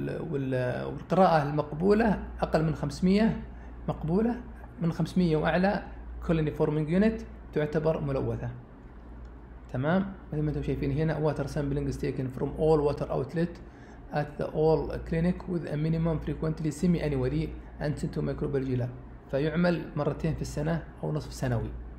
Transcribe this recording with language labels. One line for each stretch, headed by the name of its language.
Arabic: والقراءة المقبولة أقل من 500 مقبولة، من 500 وأعلى كولوني فورمينج يونت تعتبر ملوثة. تمام، مثل ما أنتم شايفين هنا
English: water sampling is taken from all water outlet at the all clinic with a minimum frequently semi-annually and sent to microbiology lab.
Arabic: فيعمل مرتين في السنة أو نصف سنوي.